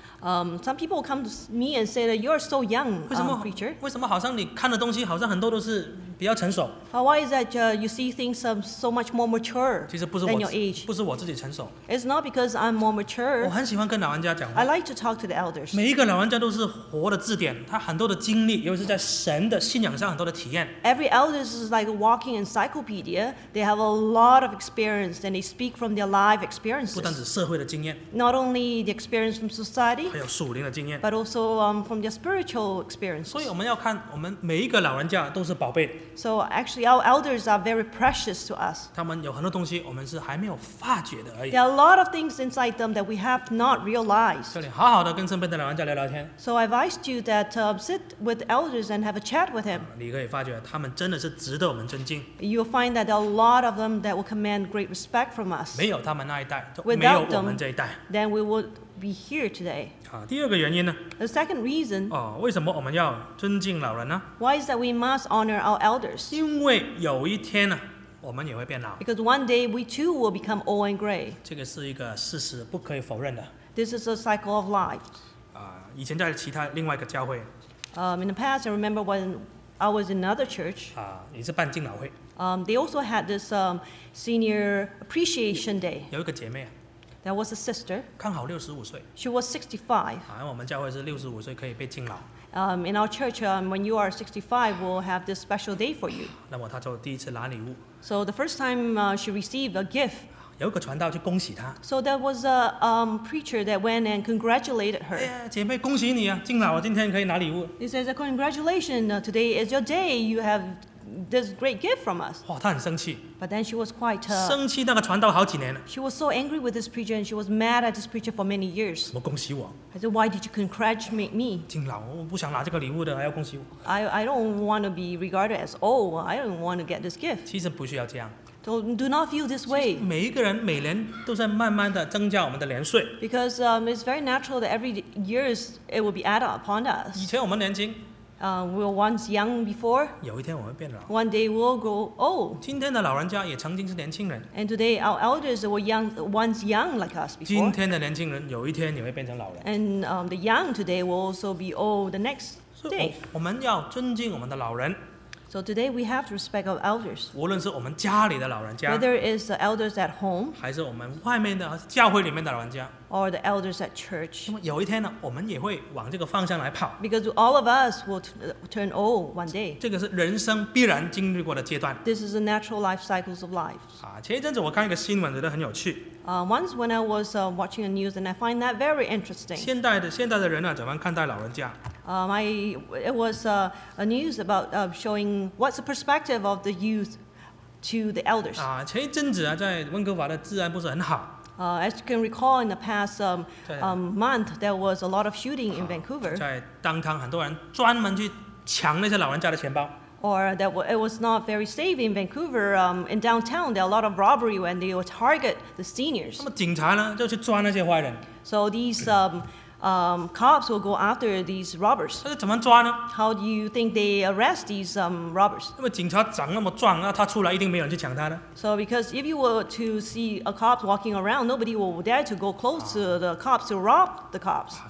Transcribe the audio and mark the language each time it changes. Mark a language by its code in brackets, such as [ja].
[en] Some people come to me and say that you are so young, preacher. [zh] 为什么好像你看的东西好像很多都是比较成熟 [en] ？Why is that you see things so much more mature than your age? [zh] 不是我自己成熟。 [en] It's not because I'm more mature. [zh] 我很喜欢跟老玩家讲话。 [en] I like to talk to the elders. [zh] 每一个老玩家都是活的字典，他很多的经历，尤其是在神的信仰上很多的体验。 [en] Every elders is like a walking encyclopedia. They have a lot of experience and they speak from their life experiences. [zh] 不单是社会的经验。 [en] Not only the experience from society. [zh] 还有属灵的经验。 [en] But also from their spiritual experience. [zh] 所以我们要看，我们每一个老玩家都是宝贝。 [en] So actually, our elders are very precious to us. [zh] 他们有很多东西，我们是还没有发觉的而已。 [en] There are a lot of things inside them that we have not realized. [zh] 这里好好的跟身边的老人家聊聊天。 [en] So I advised you that sit with elders and have a chat with him. [zh] 你可以发觉他们真的是值得我们尊敬。 [en] You'll find that there are a lot of them that will command great respect from us. [zh] 没有他们那一代，没有我们这一代。 [en] Then we would be here today. [zh] 第二个原因呢 [en] ？The second reason. [zh] 哦，为什么我们要尊敬老人呢 [en] ？Why is that we must honor our elders? [zh] 因为有一天呢，我们也会变老。 [en] Because one day we too will become old and gray. [zh] 这个是一个事实，不可以否认的。 [en] This is a cycle of life. [zh] 以前在其他另外一个教会。 [en] In the past, I remember when I was in another church. [zh] 也是办敬老会。 [en] They also had this senior appreciation day. [zh] 有一个姐妹啊。 [en] That was a sister. [zh] 刚好65岁。 [en] She was 65. [zh] 我们教会是65岁可以被敬老。 [en] In our church, when you are 65, we'll have this special day for you. [zh] 那么她就第一次拿礼物。 [en] So the first time she received a gift. [zh] 有一个传道去恭喜她。 [en] So there was a preacher that went and congratulated her. [zh] 哎呀，姐妹，恭喜你啊！敬老，今天可以拿礼物。 [en] He says, "Congratulations! Today is your day. You have this great gift from us." [zh] 哇，她很生气。 [en] But then she was quite. [zh] 生气那个传道好几年了。 [en] She was so angry with this preacher, and she was mad at this preacher for many years. [zh] 怎么恭喜我 [en] ？I said, "Why did you congratulate me?" [zh] 敬老，我不想拿这个礼物的，还要恭喜我 [en] ？I don't want to be regarded as old. I don't want to get this gift. [zh] 其实不需要这样。 [en] Do not feel this way. [zh] 每一个人每年都在慢慢的增加我们的年岁。 [en] Because it's very natural that every year it will be added upon us. [zh] 以前我们年轻。 [en] We were once young before. [zh] 有一天我会变老。 [en] One day we'll grow old. [zh] 今天的老人家也曾经是年轻人。 [en] And today our elders were young, once young like us before. [zh] 今天的年轻人有一天也会变成老人。 [en] And the young today will also be old the next day. [zh] 我们要尊敬我们的老人。 [en] So today we have to respect our elders. [zh] 无论是我们家里的老人家。 [en] Whether it's the elders at home. [zh] 还是我们外面的教会里面的老人家。 [en] Or the elders at church. [zh] 那么有一天呢，我们也会往这个方向来跑。 [en] Because all of us will turn old one day. [zh] 这个是人生必然经历过的阶段。 [en] This is a natural life cycles of life. [zh] 前一阵子我看一个新闻，觉得很有趣。 [en] Once when I was watching a news, and I find that very interesting. [zh] 现代的人呢，怎么看待老人家？ [en] It was a news about showing what's the perspective of the youth to the elders. [zh] 前一阵子啊，在温哥华的治安不是很好。 [en] As you can recall, in the past month, there was a lot of shooting in Vancouver. [zh] 在downtown，很多人专门去抢那些老人家的钱包。 [en] Or that it was not very safe in Vancouver. In downtown, there are a lot of robbery when they would target the seniors. [zh] 那么警察呢，就去抓那些坏人。 [en] So these cops will go after these robbers. [zh] 那是怎么抓呢 [en] ？How do you think they arrest these robbers? [zh] 那么警察长那么壮，那他出来一定没有人去抢他呢 [en] ？So because if you were to see a cop walking around, nobody will dare to go close to the cops to rob the cops.